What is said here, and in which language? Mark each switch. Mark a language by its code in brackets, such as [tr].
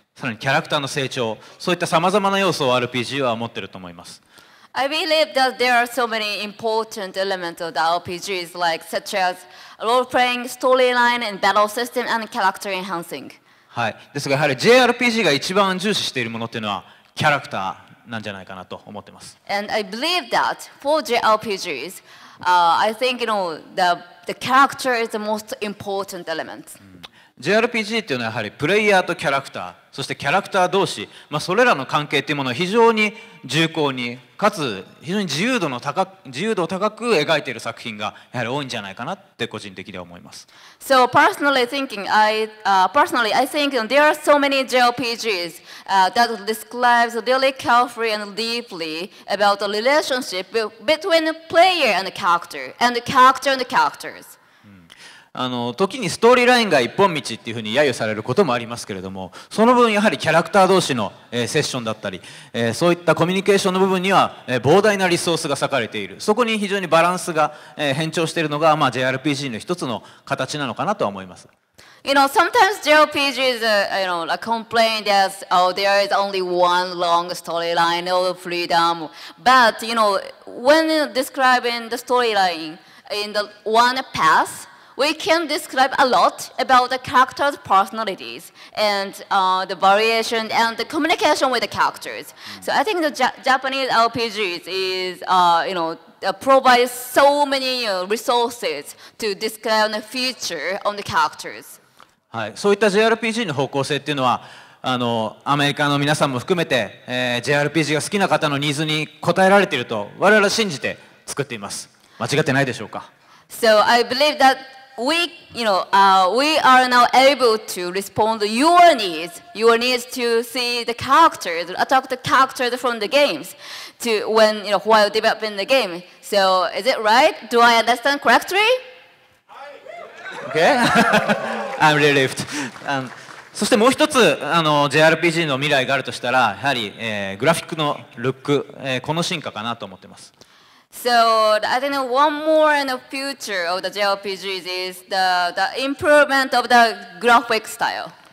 [ja] さらにキャラクターの成長、そういったさまざまな要素を RPG は持っていると思います。 [en] I believe that there are so many important elements of the RPGs, like such as role playing, storyline, and battle system, and character enhancing. [ja] はい。ですが、やはり JRPG が一番重視しているものっていうのは、キャラクターなんじゃないかなと思っています。 [en] And I believe that for JRPGs, I think, you know, the character is the most important element. [ja] JRPG っていうのはやはりプレイヤーとキャラクター、そしてキャラクター同士、まあ、それらの関係っていうものを非常に重厚に、かつ非常に自由度を高く描いている作品がやはり多いんじゃないかなって個人的には思います。 [en] So personally thinking, personally I think there are so many JRPGs, that describes really carefully and deeply about the relationship between the player and the character, and the character and the characters. [ja] あの時にストーリーラインが一本道っていうふうに揶揄されることもありますけれども、その分やはりキャラクター同士の、セッションだったり、そういったコミュニケーションの部分には、膨大なリソースが割かれている。そこに非常にバランスが、変調しているのが、まあ、JRPG の一つの形なのかなとは思います。 [en] You know, sometimes JRPGs, you know, like complain that, oh, there is only one long storyline, no freedom. But, you know, when describing the storyline in the one pass,We can describe a lot about the characters' personalities and the variation and the communication with the characters. So I think the Japanese RPGs is, you know, provide so many resources to describe the feature of the characters. [ja] はい、そういった JRPG の方向性っていうのは、あのアメリカの皆さんも含めて、JRPG が好きな方のニーズに応えられていると我々は信じて作っています。間違ってないでしょうか。 [en] So I believe that. We, you know, we are now able to respond to your needs to see the characters, attack the characters from the games, to when, you know, while developing the game. So, is it right? Do I understand correctly? Okay. I'm relieved. [ja] そしてもう一つあの JRPG の未来があるとしたら、やはり、グラフィックのルック、この進化かなと思っています。 [en] So I think one more in the future of the JRPGs is the improvement of the graphic style.